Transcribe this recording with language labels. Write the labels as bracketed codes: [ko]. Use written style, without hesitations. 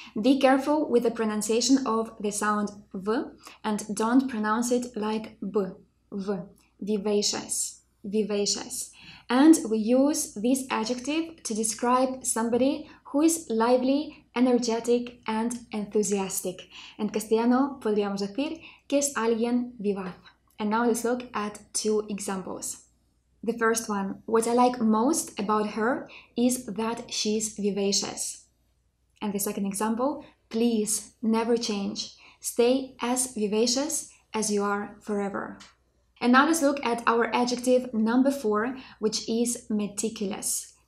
[en] Be careful with the pronunciation of the sound V and don't pronounce it like B. V. Vivacious. Vivacious. And we use this adjective to describe somebody who is lively, energetic and enthusiastic. [es] En castellano podríamos decir que es alguien vivaz. [en] And now let's look at 2 examples. The first one, what I like most about her is that she's vivacious. And the second example, please never change. Stay as vivacious as you are forever. And now let's look at our adjective number 4, which is meticulous.